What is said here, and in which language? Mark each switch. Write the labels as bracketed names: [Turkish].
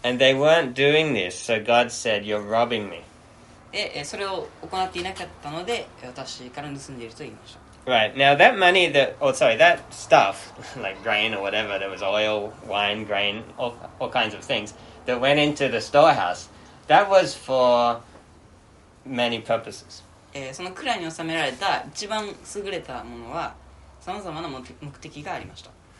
[English] And they weren't doing this, so God said, You're robbing me. [Japanese] それを行っていなかったので私から盗んでいると言いました。 [English] Right, now that money that, oh sorry, that stuff, like grain or whatever, there was oil, wine, grain, all kinds of things, that went into the storehouse, that was for many purposes. [Japanese] その蔵に納められた一番優れたものは様々な目的がありました。